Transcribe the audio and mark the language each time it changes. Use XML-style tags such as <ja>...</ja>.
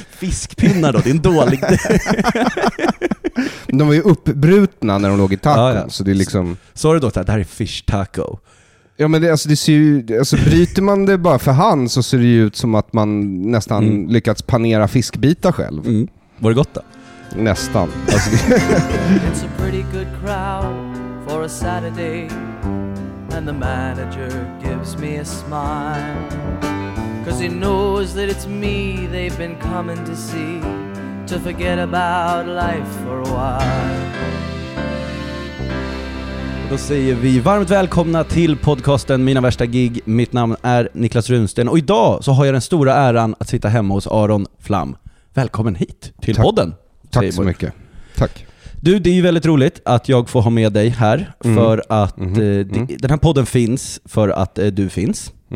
<sv>Fiskpinnar då, det är en dålig dejt. De var ju uppbrutna när de låg i tacon. Ja. Så det är liksom... Sa du då att det här är fish taco? Ja, men det ser ju, alltså bryter man det bara för hand så ser det ju ut som att man nästan lyckats panera fiskbitar själv. Var det gott då? Nästan.</sv> <en>It's a pretty good crowd for a Saturday and the manager gives me a smile cause he knows that it's me they've been coming to see to forget about life for a while.</en> <sv>Då säger vi varmt välkomna till podcasten Mina värsta gig. Mitt namn är Niklas Runsten och idag så har jag den stora äran att sitta hemma hos Aron Flam. Välkommen hit till podden. Tack så mycket. Tack. Du, det är ju väldigt roligt att jag får ha med dig här för att den här podden finns för att du finns.</sv>